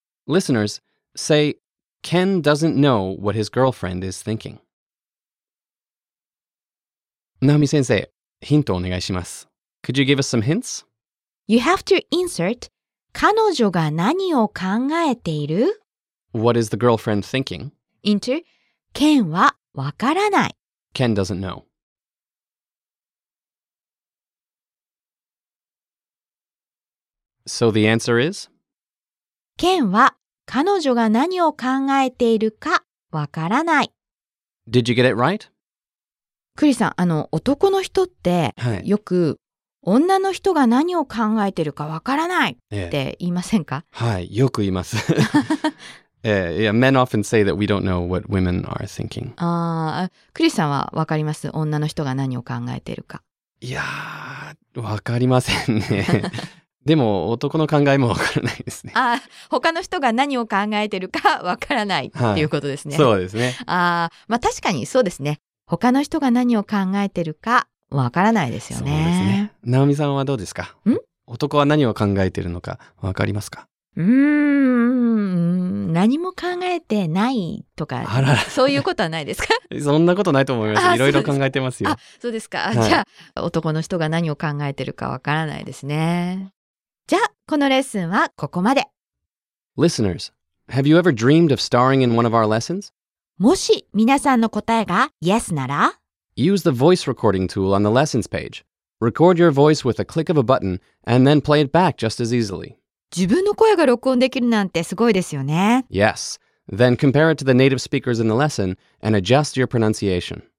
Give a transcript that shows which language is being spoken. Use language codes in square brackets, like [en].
[en] Listeners, say, Ken doesn't know what his girlfriend is thinking. [ja] ナオミ先生、ヒントお願いします。 [en] Could you give us some hints? You have to insert... [ja] 彼女が何を考えている? [en] What is the girlfriend thinking? Into, [ja] Ken はわからない。 [en] Ken doesn't know. So the answer is? [ja] Ken は彼女が何を考えているかわからない。 [en] Did you get it right? [ja] クリさん、男の人ってよく、はい女の人が何を考えてるかわからないって言いませんか、はい、よく言います。 [en] yeah, men often say that we don't know what women are thinking. [ja] クリスさんはわかります女の人が何を考えてるか。いやー、わかりませんね。でも男の考えもわからないですね。他の人が何を考えてるかわからないっていうことですね。はい、そうですね。まあ確かにそうですね。他の人が何を考えてるかわからないですよね。そうですね。ナオミさんはどうですか? ん? 男は何を考えているのかわかりますか? 何も考えてないとか、あららそういうことはないですか? そんなことないと思います。いろいろ考えてますよ。そうですか。はい、じゃあ、男の人が何を考えているかわからないですね。じゃあ、このレッスンはここまで。 [en] Listeners, have you ever dreamed of starring in one of our lessons? [ja] もし皆さんの答えが Yes なら、 [en] Use the voice recording tool on the lessons page. Record your voice with a click of a button and then play it back just as easily. [ja] 自分の声が録音できるなんてすごいですよね。 [en] Yes. Then compare it to the native speakers in the lesson and adjust your pronunciation.